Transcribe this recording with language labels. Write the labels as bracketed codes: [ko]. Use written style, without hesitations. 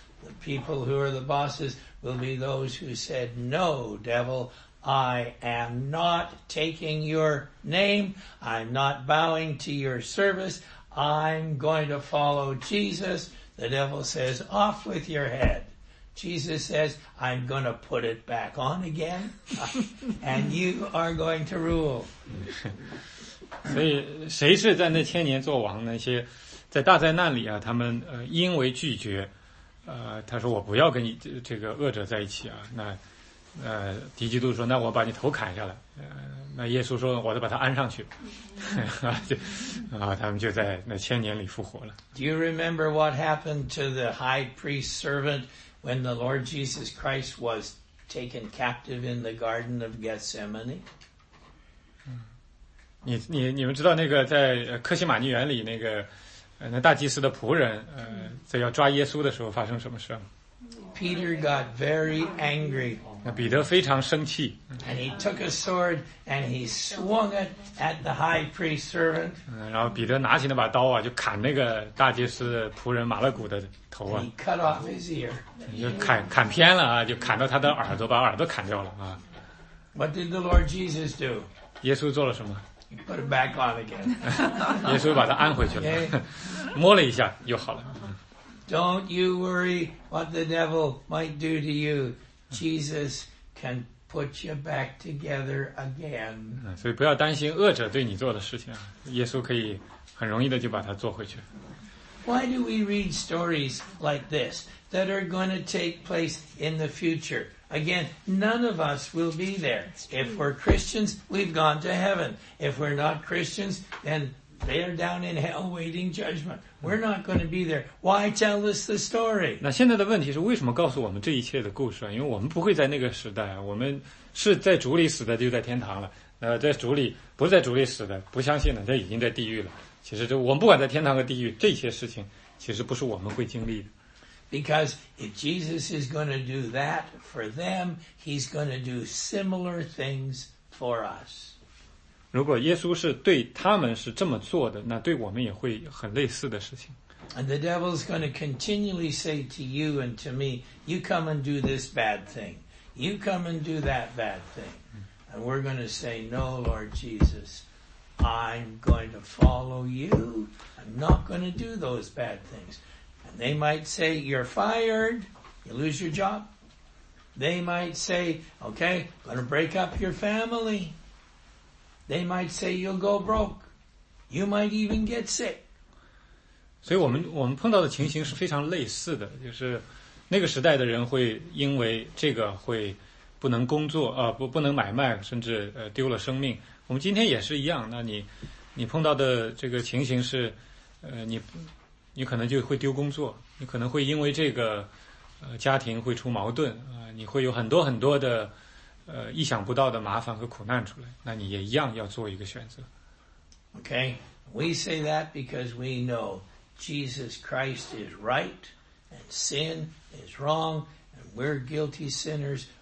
[en] The people who are the bosses will be those who said, "No, devil, I am not taking your name. I'm not bowing to your service. I'm going to follow Jesus." The devil says, off with your head. Jesus says, I'm going to put it back on again, and you are going to rule. [zh] 所以谁是在那千年做王，那些在大灾难里啊，他们因为拒绝他说我不要跟你这个恶者在一起啊，那敌基督说那我把你头砍下来，那耶稣说我再把他安上去啊，他们就在那千年里复活了。 [en] Do you remember what happened to the high priest's servant when the Lord Jesus Christ was taken captive in the Garden of Gethsemane? [zh] 你们知道那个在克西马尼园里那个那大祭司的仆人在要抓耶稣的时候发生什么事吗？ [en] Peter got very angry. [zh] 那彼得非常生气。 [en] And he took a sword and he swung it at the high priest's servant. [zh] 然后彼得拿起那把刀啊，就砍那个大祭司仆人马勒古的头啊。 [en] He cut off his ear. [zh] 就砍偏了啊，就砍到他的耳朵，把耳朵砍掉了啊。 [en] What did the Lord Jesus do? [zh] 耶稣做了什么？ [en] Put it back on again. [zh] 耶稣把它安回去了 [en] okay. [zh] 摸了一下又好了 [en] Don't you worry what the devil might do to you. Jesus can put you back together again. [zh] 所以不要担心恶者对你做的事情耶稣可以很容易的就把它做回去 [en] Why do we read stories like this that are going to take place in the future? Again, none of us will be there. If we're Christians, we've gone to heaven. If we're not Christians, then they're down in hell waiting judgment. We're not going to be there. Why tell us the story? [zh] 那现在的问题是为什么告诉我们这一切的故事啊？因为我们不会在那个时代啊，我们是在主里死的，就在天堂了。在主里，不是在主里死的，不相信的，他已经在地狱了。其实这我们不管在天堂和地狱，这些事情其实不是我们会经历的。 [en] Because if Jesus is going to do that for them, he's going to do similar things for us. [zh] 如果耶稣是对他们是这么做的，那对我们也会很类似的事情。 [en] And the devil's going to continually say to you and to me, you come and do this bad thing. You come and do that bad thing. And we're going to say, no, Lord Jesus, I'm going to follow you. I'm not going to do those bad things. They might say, you're fired, you lose your job. They might say, okay, gonna break up your family. They might say, you'll go broke. You might even get sick. [zh] 所以我们碰到的情形是非常类似的，就是那个时代的人会因为这个会不能工作，不能买卖，甚至丢了生命。我们今天也是一样，那你碰到的这个情形是你可能就会丢工作，你可能会因为这个，家庭会出矛盾啊，你会有很多很多的，意想不到的麻烦和苦难出来。那你也一样要做一个选择。 [en] Okay, we say that because we know Jesus Christ is right and sin is wrong, and we're guilty sinners.